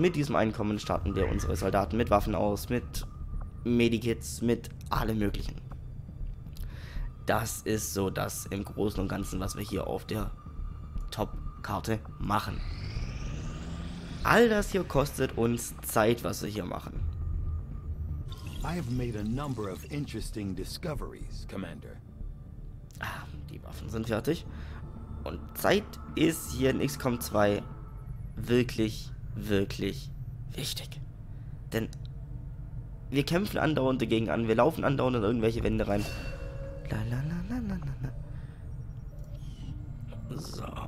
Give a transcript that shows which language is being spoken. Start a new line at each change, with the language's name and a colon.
German: Mit diesem Einkommen starten wir unsere Soldaten mit Waffen aus, mit Medikits, mit allem Möglichen. Das ist so das im Großen und Ganzen, was wir hier auf der Top-Karte machen. All das hier kostet uns Zeit, was wir hier machen.
English: I have made a number of interesting discoveries, Commander.
German: Ah, die Waffen sind fertig. Und Zeit ist hier in XCOM 2 wirklich, wirklich wichtig. Denn wir kämpfen andauernd dagegen an, wir laufen andauernd in irgendwelche Wände rein. La la la la la la la. So.